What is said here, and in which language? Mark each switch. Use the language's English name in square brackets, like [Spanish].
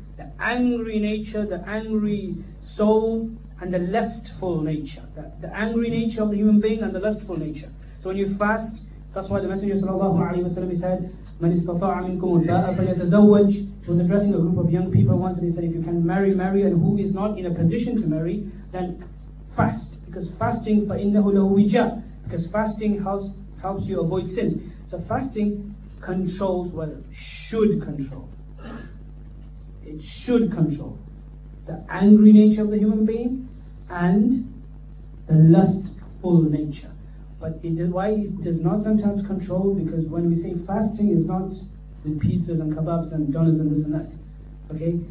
[English] The angry nature, the angry soul, and the lustful nature. The angry nature of the human being and the lustful nature. So when you fast, that's why the Messenger sallallahu alayhi wa sallam said, [Arabic] مَنْ اسْتَطَاعَ مِنْكُمُ الْبَاءَ فَلْيَتَزَوَّجْ. [English] He was addressing a group of young people once, and he said, if you can marry, marry, and who is not in a position to marry, then fast. Because fasting, [Arabic] فَإِنَّهُ لَهُ وِجَاءَ. [English] Because fasting helps you avoid sins. So fasting controls, well, should control. It should control the angry nature of the human being and the lustful nature. But why it does not sometimes control? Because when we say fasting, it's not the pizzas and kebabs and donuts and this and that. Okay?